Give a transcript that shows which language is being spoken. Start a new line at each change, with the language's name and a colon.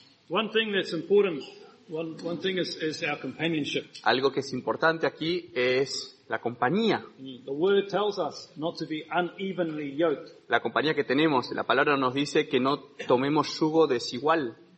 English: One thing that's important. One thing is our companionship.
Spanish: Algo que es importante aquí es la compañía.
English: The word tells us not to be unevenly yoked.
Spanish: La compañía que tenemos, la palabra nos dice que no tomemos yugo desigual.